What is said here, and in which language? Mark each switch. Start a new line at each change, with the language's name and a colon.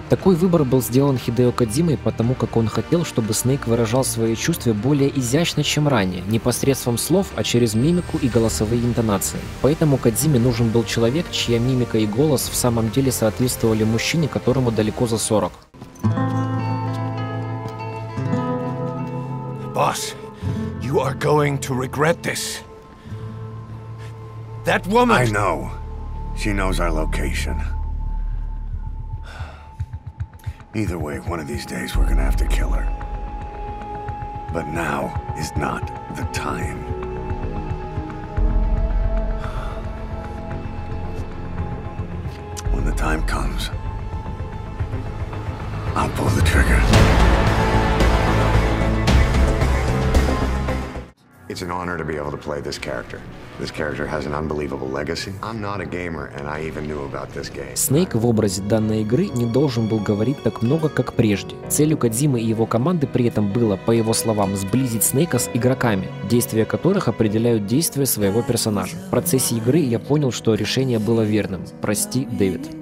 Russian: Такой выбор был сделан Хидео Кодзимой, потому как он хотел, чтобы Снейк выражал свои чувства более изящно, чем ранее, не посредством слов, а через мимику и голосовые интонации. Поэтому Кодзиме нужен был человек, чья мимика и голос в самом деле соответствовали мужчине, которому далеко за 40.
English: Босс, you are going to regret this. That woman... I know. She knows our location. Either way, one of these days we're gonna have to kill her. But now is not the time. When the time comes, I'll pull the trigger. It's an honor to be able to play this character. This character has an unbelievable legacy. I'm not a gamer, and I even knew about this game.
Russian: Снейк в образе данной игры не должен был говорить так много, как прежде. Целью Кодзимы и его команды при этом было, по его словам, сблизить Снейка с игроками, действия которых определяют действия своего персонажа. В процессе игры я понял, что решение было верным. Прости, Дэвид.